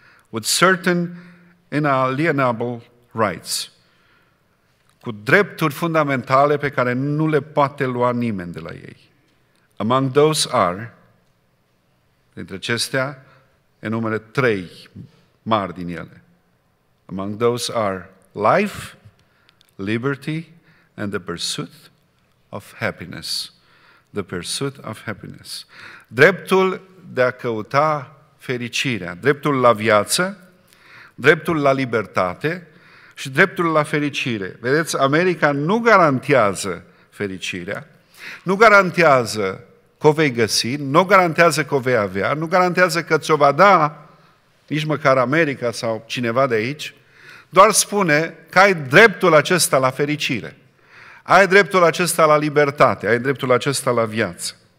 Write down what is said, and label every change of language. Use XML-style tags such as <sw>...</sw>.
<en>"With certain inalienable rights."</en> <ro>Cu drepturi fundamentale pe care nu le poate lua nimeni de la ei.</ro> <en>"Among those are,"</en> <ro>dintre acestea, enumere trei mari din ele.</ro> <en>"Among those are life, liberty, and the pursuit of happiness." The pursuit of happiness.</en> <ro>Dreptul de a căuta fericirea, dreptul la viață, dreptul la libertate și dreptul la fericire. Vedeți, America nu garantează fericirea, nu garantează că o vei găsi, nu garantează că o vei avea, nu garantează că ți-o va da nici măcar America sau cineva de aici, doar spune că ai dreptul acesta la fericire, ai dreptul acesta la libertate, ai dreptul acesta la viață.</ro>